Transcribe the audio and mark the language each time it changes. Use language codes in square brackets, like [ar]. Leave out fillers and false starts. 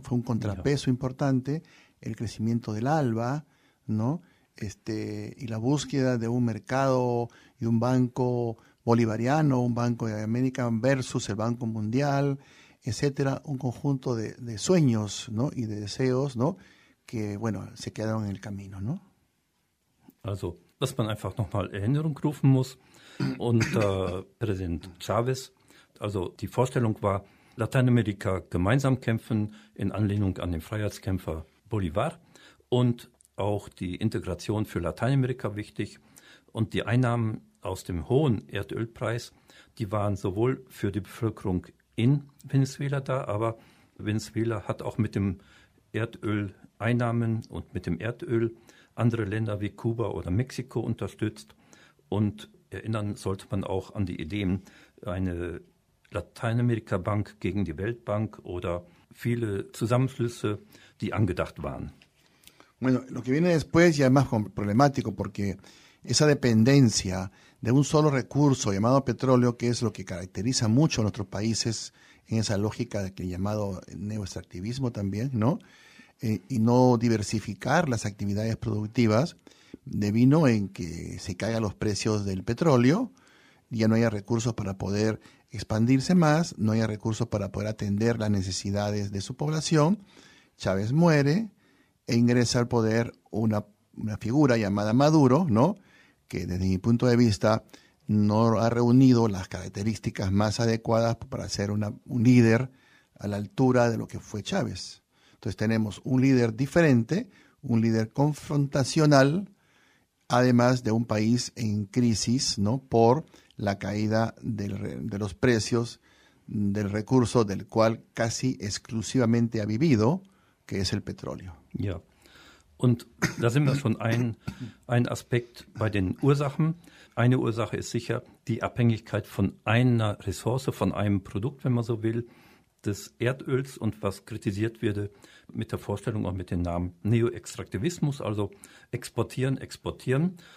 [es] Fue un contrapeso importante el crecimiento del ALBA, ¿no?, y la búsqueda de un mercado y un banco bolivariano, un banco de América versus el Banco Mundial, etcétera, un conjunto de sueños, ¿no?, y de deseos, ¿no?, que bueno, se quedaron en el camino, ¿no? [de] Also, dass man einfach nochmal Erinnerung rufen muss, unter Präsident Chávez, Also die Vorstellung war, Lateinamerika gemeinsam kämpfen in Anlehnung an den Freiheitskämpfer Bolivar und auch die Integration für Lateinamerika wichtig. Und die Einnahmen aus dem hohen Erdölpreis, die waren sowohl für die Bevölkerung in Venezuela da, aber Venezuela hat auch mit dem Erdöleinnahmen und mit dem Erdöl andere Länder wie Kuba oder Mexiko unterstützt. Und erinnern sollte man auch an die Ideen, eine Lateinamerika-Bank gegen die Weltbank oder viele Zusammenschlüsse, die angedacht waren. [es] Bueno, lo que viene después ya es más problemático porque esa dependencia de un solo recurso llamado petróleo, que es lo que caracteriza mucho a nuestros países en esa lógica de que llamado neoextractivismo también, ¿no? Y no diversificar las actividades productivas, devino en que se caigan los precios del petróleo, ya no haya recursos para poder expandirse más, no haya recursos para poder atender las necesidades de su población. Chávez muere e ingresa al poder una figura llamada Maduro, ¿no? Que desde mi punto de vista no ha reunido las características más adecuadas para ser un líder a la altura de lo que fue Chávez. Entonces tenemos un líder diferente, un líder confrontacional, además de un país en crisis, ¿no? Por la caída de los precios del recurso del cual casi exclusivamente ha vivido, que es el petróleo. [de] Ja, und da sind wir schon ein Aspekt bei den Ursachen. Eine Ursache ist sicher die Abhängigkeit von einer Ressource, von einem Produkt, wenn man so will, des Erdöls und was kritisiert würde mit der Vorstellung auch mit dem Namen Neo-Extraktivismus, also exportieren, exportieren.